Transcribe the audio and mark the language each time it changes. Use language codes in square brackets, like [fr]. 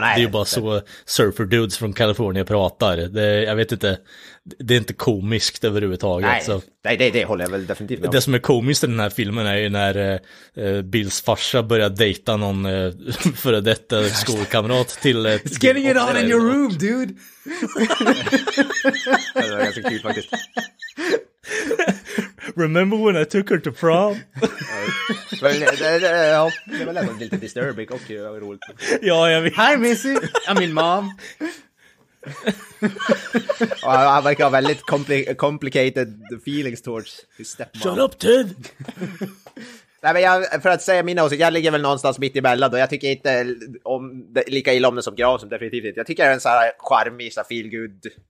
[sv] det är ju bara så surfer dudes från Kalifornien pratar. Jag vet inte, det är inte komiskt överhuvudtaget. Nej, så. Det håller jag väl definitivt med. Det som är komiskt i den här filmen är ju när Bills farsa börjar dejta någon före detta skolkamrat till... [en] It's getting it on in your room, dude! [sv] Det var ganska kul faktiskt. [en] Remember when I took her to prom? [sv] Det var lite disturbing och roligt. Ja, jag vet. [en] Hi Missy, I'm in mom. [sv] Och han verkar ha väldigt [en] complicated feelings towards his stepmom. Shut up, Ted. [sv] Nej, men jag, för att säga mina åsikter, jag ligger väl någonstans mitt i mellan. Jag tycker inte om det, lika illa om det som Gran, som definitivt inte. Jag tycker det är en sån här charmig, så feel good.